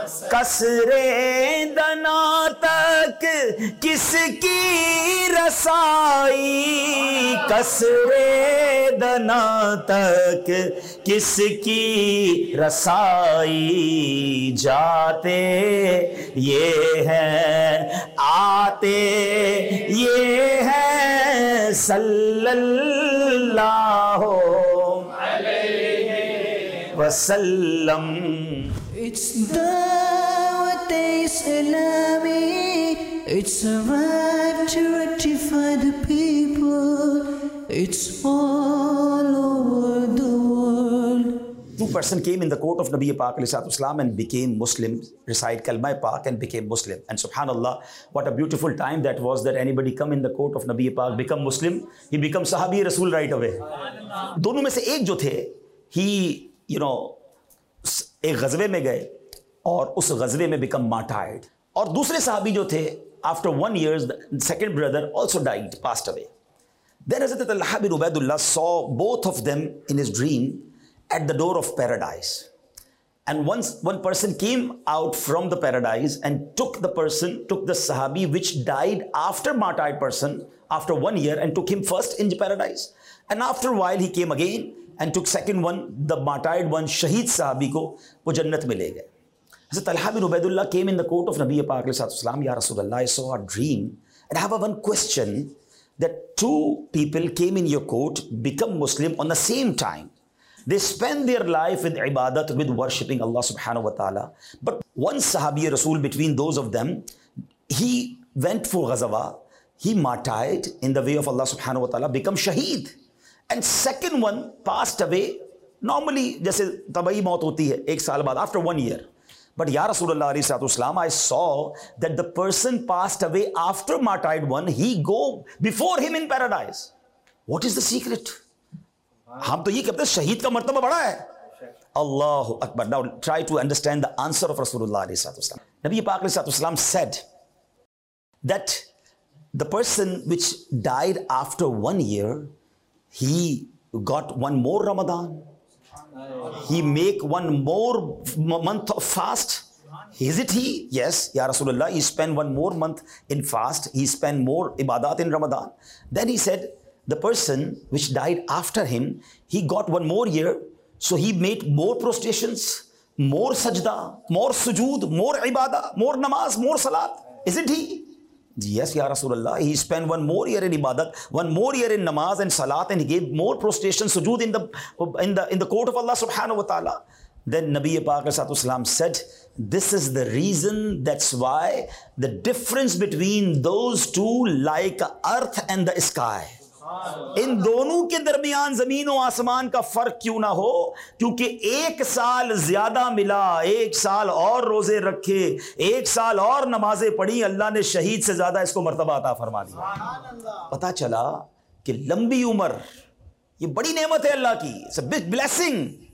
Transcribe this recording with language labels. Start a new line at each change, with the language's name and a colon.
Urdu: کسرے دنا تک کس کی رسائی, کسرے دنا تک کس کی رسائی, جاتے یہ ہیں, آتے یہ ہیں, صلی اللہ علیہ وسلم.
English: It's Dawat-e-Islami, it's a right to rectify the people, it's all over the world. Two person came in the court of Nabi Pak علیہ الصلوۃ والسلام and became Muslim, recite kalma Pak and became Muslim. And subhanallah, what a beautiful time that was, that anybody come in the court of Nabi Pak, become Muslim, he become sahabi rasul right away.
Urdu: دونوں میں سے ایک جو تھے,
English: he, you know,
Urdu: ایک غزوے میں گئے اور اس غزوے میں
English: Become martyred.
Urdu: اور دوسرے صحابی جو تھے,
English: After one year second brother also died, passed away. Then Hazrat Talha bin Ubaidullah saw both of them in his dream at the door of paradise, and once one person came out from the paradise and took the person, took the sahabi which died after martyred person after one year, and took him first in paradise, and after while he came again and took second one, the martyred one,
Urdu: shaheed sahabi ko, wo jannat mein le gaye.
English: Hazrat Talha bin Ubaidullah came in the court of Nabiyye Paak Alaihi Wasallam, ya Rasulullah, I saw a dream and I have a one question, that two people came in your court, become Muslim on the same time. They spend their life with ibadat, with worshipping Allah subhanahu wa ta'ala, but one sahabi rasul between those of them, he went for ghazawa, he martyred in the way of Allah subhanahu wa ta'ala, become shaheed. And second one passed away, normally
Urdu: جیسے طبعی موت ہوتی ہے ایک سال بعد,
English: after one year. But یا رسول اللہ علیہ الصلوۃ والسلام, I saw that the person passed away after martyred one, he go before him in paradise. What is the secret?
Urdu: ہم تو یہ کہتے ہیں شہید کا مرتبہ بڑا ہے. اللہ اکبر.
English: Now try to understand the answer of رسول اللہ علیہ الصلوۃ والسلام. نبی پاک علیہ الصلوۃ والسلام said that the person which died after one year, he got one more Ramadan, he make one more month of fast. Is it he? Yes, ya Rasulullah, he spend one more month in fast, he spend more ibadat in Ramadan. Then he said, the person which died after him, he got one more year, so he made more prostrations, more sajda, more sujood, more ibadah, more namaz, more salat. Isn't he? Yes, ya Rasulullah, he spent one more year in ibadat, one more year in namaz and salat, and he gave more prostration, sujood in the court of Allah subhanahu wa ta'ala. Then Nabiyye Paak alayhi salatu wasalam said, this is the reason, that's why the difference between those two, like earth and the sky. Subhanallah.
Urdu: ان دونوں کے درمیان زمین و آسمان کا فرق کیوں نہ ہو؟ کیونکہ ایک سال زیادہ ملا، ایک سال اور روزے رکھے، ایک سال اور نمازیں پڑھی، اللہ نے شہید سے زیادہ اس کو مرتبہ عطا فرما دیا۔ پتا چلا کہ لمبی عمر یہ بڑی نعمت ہے اللہ کی،
English: it's a big blessing,